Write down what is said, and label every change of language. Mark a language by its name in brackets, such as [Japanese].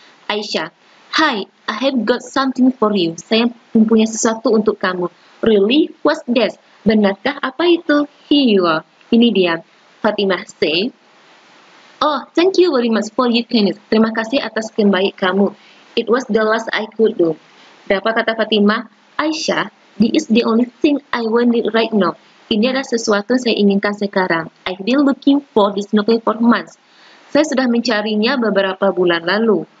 [English] Aisyah, hi, I have got something for you. [Indonesian] Saya mempunyai sesuatu untuk kamu. [English] Really? What's this? [Indonesian] Benarkah apa itu? [English] Here you are. [Indonesian] Ini dia, [English] Fatimah say, oh, thank you very much for your kindness. [Indonesian] Terima kasih atas kebaik kamu. [English] It was the last I could do. [Indonesian] Berapa kata Fatimah? [English] Aisyah, this is the only thing I wanted right now. [Indonesian] Ini adalah sesuatu yang saya inginkan sekarang. [English] I've been looking for this novel for months. [Indonesian] Saya sudah mencarinya beberapa bulan lalu.